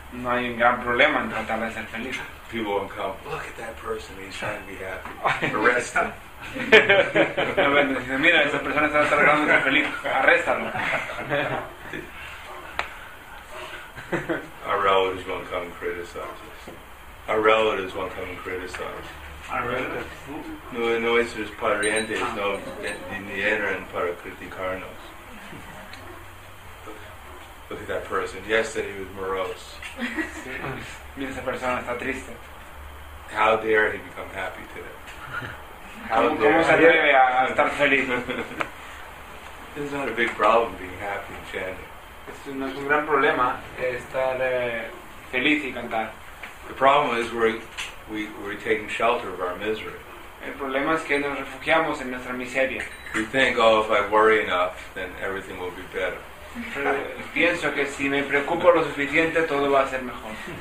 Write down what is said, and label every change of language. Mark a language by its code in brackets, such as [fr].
[es] No hay un gran problema en tratar de ser feliz. [en] People won't come, look at that person, he's trying to be happy. Arrest him. [es] No, bueno, dice, mira, esa persona está tratando de ser feliz. Arréstalo. [en] Our relatives won't come and criticize us. [es] Nuestros parientes no vinieron para criticarnos. [en] Look at that person. Yesterday he was morose. [es] Mira, esa persona está triste. [en] How dare he become happy today? [es] ¿Cómo se atreve a estar feliz? [en] It's not a big problem being happy and chanting. [es] No es un gran problema estar feliz y cantar. [en] The problem is we're taking shelter of our misery. [es] El problema es que nos refugiamos en nuestra miseria. [en] We think, oh, if I worry enough, then everything will be better. [es] Pienso que si me preocupo lo suficiente, todo va a ser mejor.